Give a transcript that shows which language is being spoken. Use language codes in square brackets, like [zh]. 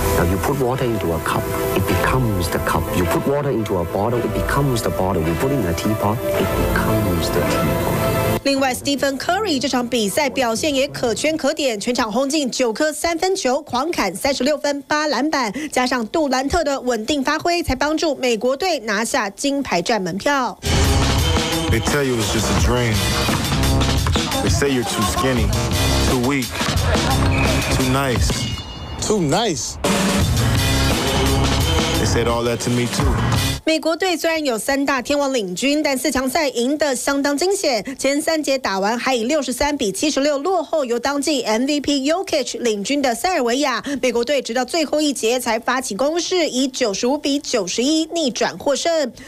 [en] Now you put water into a cup, it becomes the cup. You put water into a bottle, it becomes the bottle. You put it in a teapot, it becomes the teapot. [zh] 另外 ，Stephen Curry 这场比赛表现也可圈可点，全场轰进9颗3分球，狂砍36分、8篮板，加上杜兰特的稳定发挥，才帮助美国队拿下金牌战门票。 [en] They tell you it's just a dream. They say you're too skinny, too weak, too nice. Too nice. They said all that to me too. [zh] 美国队虽然有三大天王领军，但四强赛赢得相当惊险。前三节打完还以63-76落后，由当季 MVP Jokic 领军的塞尔维亚，美国队直到最后一节才发起攻势，以95-91逆转获胜。